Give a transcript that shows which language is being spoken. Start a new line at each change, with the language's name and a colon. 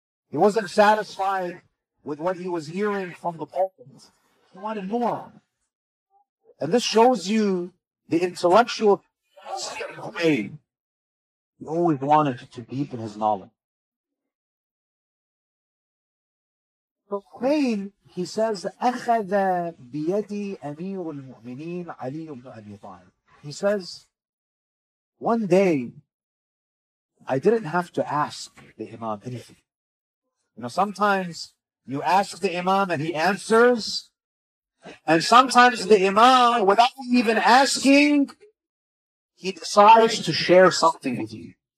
English: He wasn't satisfied with what he was hearing from the pulpit. He wanted more. And this shows you the intellectual capacity of Khomeini. He always wanted to deepen his knowledge. So Khomeini, he says,
Arabic: أَخَذَ بِيَدِي أَمِيرُ الْمُؤْمِنِينَ عَلِيُّ بْنُ أَبِي طَالِبٍ.
English: He says, one day, I didn't have to ask the Imam anything. You know, sometimes you ask the Imam and he answers. And sometimes the Imam, without even asking, he decides to share something with you.